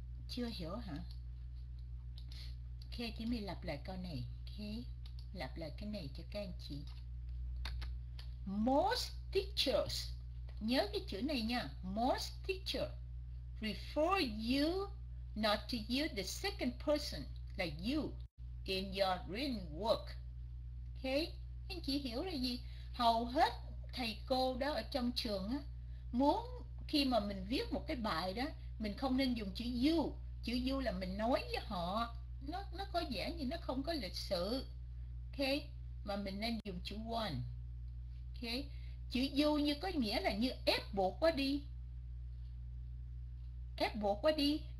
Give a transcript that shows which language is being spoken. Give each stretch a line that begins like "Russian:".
Vietnamese: Chưa hiểu hả? Ok, chị mình lặp lại câu này. Ok, lặp lại cái này cho các anh chị.
English: Most teachers,
Vietnamese: nhớ cái chữ này nha,
English: most teachers refer you not to use the second person like you in your written work.
Vietnamese: Ok, anh chị hiểu là gì? Hầu hết thầy cô đó ở trong trường á, muốn khi mà mình viết một cái bài đó, mình không nên dùng chữ you. Chữ you là mình nói với họ, nó có vẻ như nó không có lịch sự. Ok, mà mình nên dùng chữ one. Ok, chữ you như có nghĩa là như ép buộc quá đi, ép buộc quá đi.